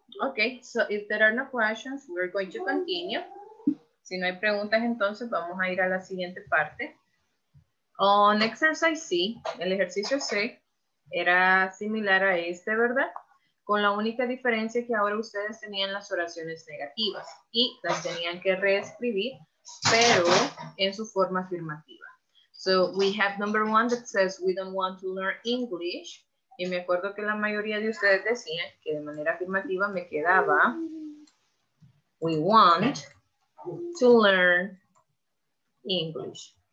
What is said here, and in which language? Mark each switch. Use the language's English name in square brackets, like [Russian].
[English] Okay, so if there are no questions, we're going to continue. [Spanish] Si no hay preguntas, entonces vamos a ir a la siguiente parte. [English] On exercise C, [Spanish] el ejercicio C era similar a este, ¿verdad? Con la única diferencia que ahora ustedes tenían las oraciones negativas y las tenían que reescribir, pero en su forma afirmativa. [English] So we have number one that says we don't want to learn English. [Spanish] Y me acuerdo que la mayoría de ustedes decían que de manera afirmativa me quedaba [English] we want to learn English.